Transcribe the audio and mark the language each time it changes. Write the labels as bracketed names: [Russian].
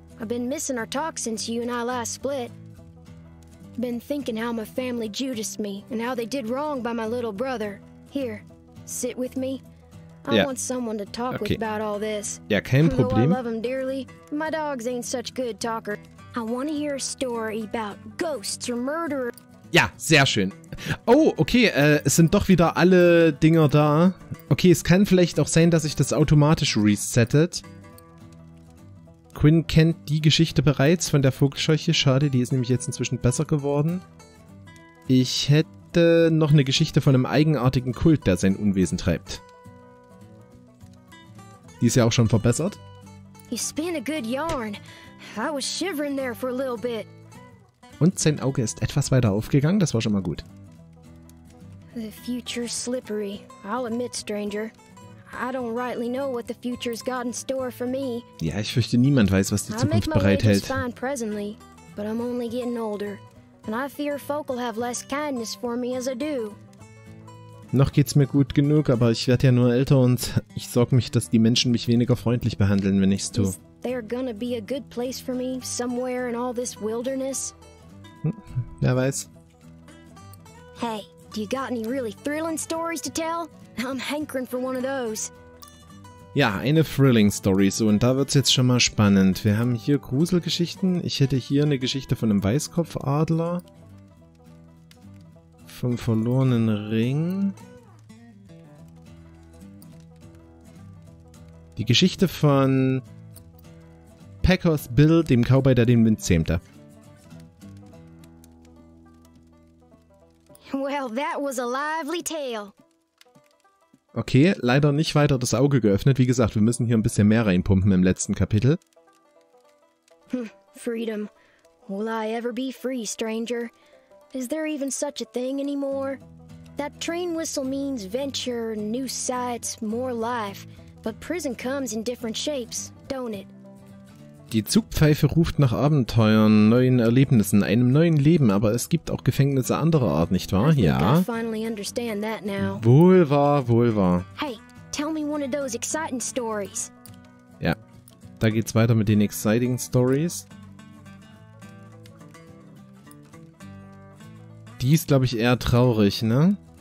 [English] I've been missing our talk since you and I last split. Been thinking how my family judiced me and how they did wrong by my little brother. Here, sit with me. I yeah. want someone to talk okay. with about all this. Yeah, [German] kein Problem. [English] I love him dearly. My dogs ain't such good talker. I want to hear a story about ghosts or murderers. [German] Ja, sehr schön. Oh, okay, es sind doch wieder alle Dinger da. Okay, es kann vielleicht auch sein, dass sich das automatisch resettet. Quinn kennt die Geschichte bereits von der Vogelscheuche. Schade, die ist nämlich jetzt inzwischen besser geworden. Ich hätte noch eine Geschichte von einem eigenartigen Kult, der sein Unwesen treibt. Die ist ja auch schon verbessert. [English] You spin a good yarn. I was shivering there for a little bit. [German] Und sein Auge ist etwas weiter aufgegangen, das war schon mal gut. [English] The future's slippery, I'll admit, stranger. I don't rightly know what the future's got in store for me. [German] Ja, ich fürchte, niemand weiß, was die Zukunft bereithält. [English] I'll make my wages fine presently, but I'm only getting older. And I fear folk will have less kindness for me as I do. [German] Noch geht's mir gut genug, aber ich werde ja nur älter und ich sorge mich, dass die Menschen mich weniger freundlich behandeln, wenn ich's tue. [English] Is there gonna be a good place for me somewhere in all this wilderness? [German] Wer weiß. [English] Hey, do you got any really thrilling stories to tell? I'm hankering for one of those. [German] Ja, eine Thrilling-Story. So, und da wird's jetzt schon mal spannend. Wir haben hier Gruselgeschichten. Ich hätte hier eine Geschichte von einem Weißkopfadler. Vom verlorenen Ring. Die Geschichte von Packers Bill, dem Cowboy, der den Wind zähmte. Well, that was a lively tale. Okay, leider nicht weiter das Auge geöffnet. Wie gesagt, wir müssen hier ein bisschen mehr reinpumpen im letzten Kapitel. [English] Freedom. Will I ever be free, stranger? Is there even such a thing anymore? That train whistle means venture, new sights, more life. But prison comes in different shapes, don't it? [German] Die Zugpfeife ruft nach Abenteuern, neuen Erlebnissen, einem neuen Leben, aber es gibt auch Gefängnisse anderer Art, nicht wahr? Ja. Wohl wahr, wohl wahr. [English] Hey, tell me one of those exciting stories. [German] Ja, da geht's weiter mit den exciting stories. Die ist, glaube ich, eher traurig, ne?